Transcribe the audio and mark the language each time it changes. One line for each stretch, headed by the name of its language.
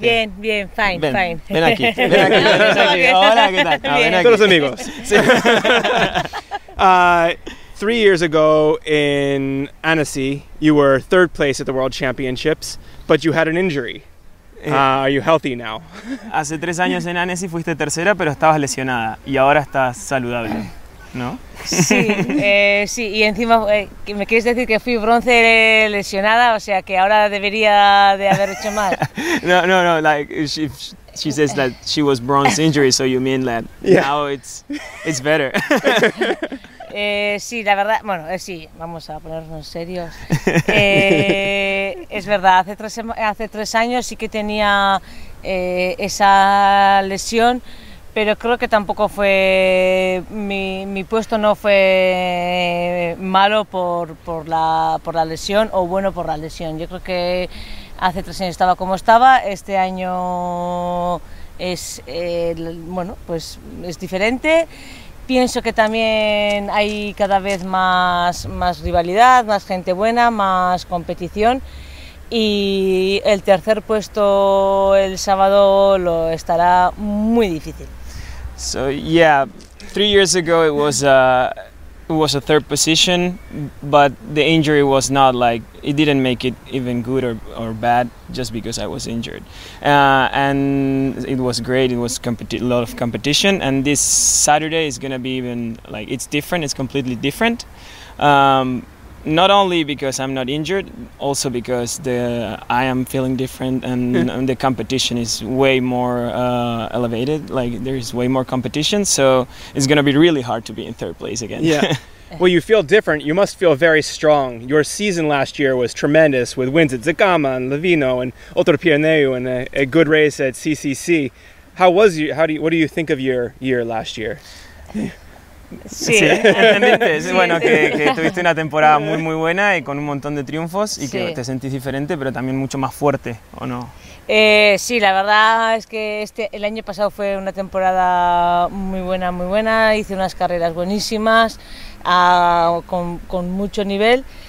Spanish: Bien, bien,
English: fine,
Spanish: ven, fine. Ven aquí. Hola, ¿qué tal? Ven aquí. Todos amigos. Sí.
English: 3 years ago in Annecy, you were third place at the World Championships, but you had an injury. Are you healthy now?
Spanish: Hace 3 años en Annecy fuiste tercera, pero estabas lesionada, y ahora estás saludable, ¿no? Sí, y encima me quieres decir que fui bronce lesionada, o sea que ahora debería de haber hecho mal.
English: No, like, she says that she was bronze injury, so you mean that now it's better.
Spanish: Sí, la verdad, bueno, sí, vamos a ponernos serios. Es verdad, hace tres años sí que tenía esa lesión, pero creo que tampoco fue, mi puesto no fue malo por la lesión o bueno por la lesión. Yo creo que hace 3 años estaba como estaba, este año es, bueno, pues es diferente. Pienso que también hay cada vez más rivalidad, más gente buena, más competición. Y el tercer puesto el sábado lo estará muy difícil.
English: So yeah, 3 years ago it was a third position, but the injury was not like, it didn't make it even good or bad just because I was injured. And it was great, it was a lot of competition, and this Saturday is gonna be even, like, it's different, it's completely different. Not only because I'm not injured, also because I am feeling different and the competition is way more elevated. Like, there is way more competition, so it's going to be really hard to be in third place again. Yeah. Well, you feel different. You must feel very strong. Your season last year was tremendous with wins at Zagama and Livigno and Oltre Pirineo and a good race at CCC. How was you? What do you think of your year last year?
Spanish: Sí, evidentemente. Sí. Bueno, que tuviste una temporada muy muy buena y con un montón de triunfos y que te sentís diferente, pero también mucho más fuerte, ¿o no? Sí, la verdad es que el año pasado fue una temporada muy buena, muy buena. Hice unas carreras buenísimas, con mucho nivel.